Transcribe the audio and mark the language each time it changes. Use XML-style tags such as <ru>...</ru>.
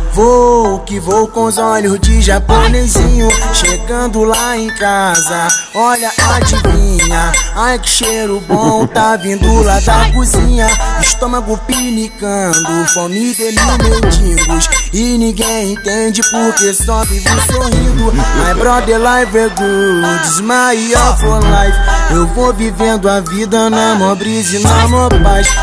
<pt>Vou que vou com os olhos de japonesinho. Chegando lá em casa, olha, adivinha. Ai, que cheiro bom, tá vindo lá da cozinha. Estômago pinicando, fome de mil mendigos. E ninguém entende porque só vivo sorrindo.</pt> <en>My brother, life is good, smile for life.</en> <pt>Eu vou vivendo a vida na mó brisa e na mó paz.</pt>